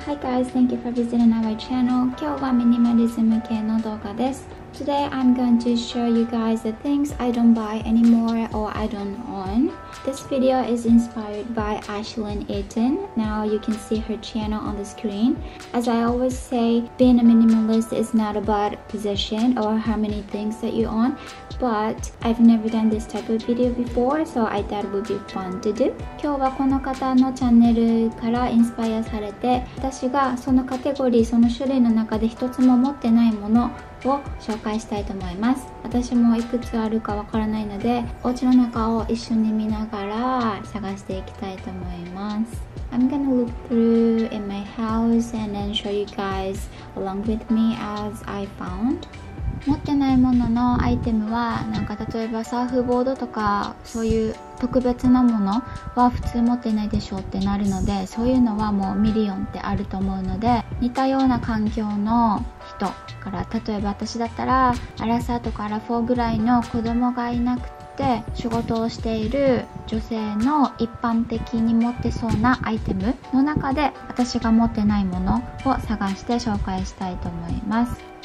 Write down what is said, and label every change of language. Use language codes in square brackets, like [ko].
[en] Hi guys, thank you for visiting our channel. [ja] 今日はミニマリズム系の動画です。 [en] Today I'm going to show you guys the things I don't buy anymore or I don't own. This video is inspired by Ashlyn Eaton. Now you can see her channel on the screen. As I always say, being a minimalist is not about possession or how many things that you own. But I've never done this type of video before, so I thought it would be fun to do. [ja] 今日はこの方のチャンネルからインスパイアされて、私がそのカテゴリー、その種類の中で一つも持ってないものを紹介したいと思います。私もいくつあるかわからないので、お家の中を一緒に見ながら探していきたいと思います。 [en] I'm gonna look through in my house and then show you guys along with me as I found. [ja] 持ってないもののアイテムは、なんか例えばサーフボードとかそういう特別なものは普通持ってないでしょうってなるので、そういうのはもうミリオンってあると思うので、似たような環境の人から、例えば私だったらアラサーとかアラフォーぐらいの子供がいなくて仕事をしている女性の一般的に持ってそうなアイテムの中で、私が持ってないものを探して紹介したいと思います。